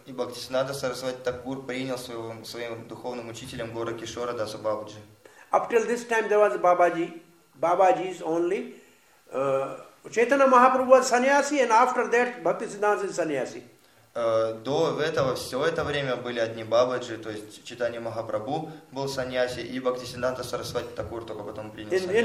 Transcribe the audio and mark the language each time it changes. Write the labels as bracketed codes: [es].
[ru] И Бхактисиддханта Сарасвати Такур принял своим духовным учителем Гаура Кишора Даса Бабаджи. [en] Up till this time there was Бабаджи, Бабаджи's only. Chaitanya Mahaprabhu was sannyasi and after that Bhaktisiddhanta is sannyasi. [ru] До этого все это время были одни бабаджи, то есть читание Махапрабху был саньяси, и Бхактисиддханта Сарасвати Такур только потом принял саньяси.